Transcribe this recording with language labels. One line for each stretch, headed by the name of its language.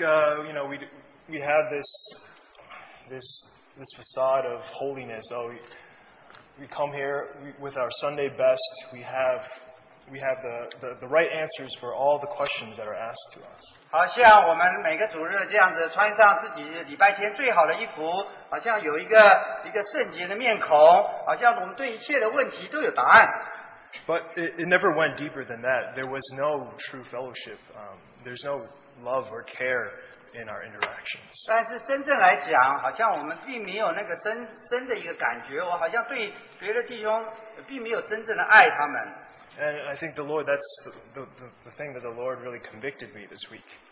English: you know, we have this facade of holiness. So we come here with our Sunday best. We have the right answers for all the questions that are asked to us.
Chinese: 好像我们每个主日这样子穿上自己礼拜天最好的衣服，好像有一个圣洁的面孔，好像我们对一切的问题都有答案。But
English: it never went deeper than that. There was no true fellowship. There's no love or care in our interactions.
Chinese: 但是真正来讲，好像我们并没有那个深的一个感觉。我好像对别的弟兄并没有真正的爱他们。
English: And I think the Lord, that's the thing that the Lord really convicted me this week.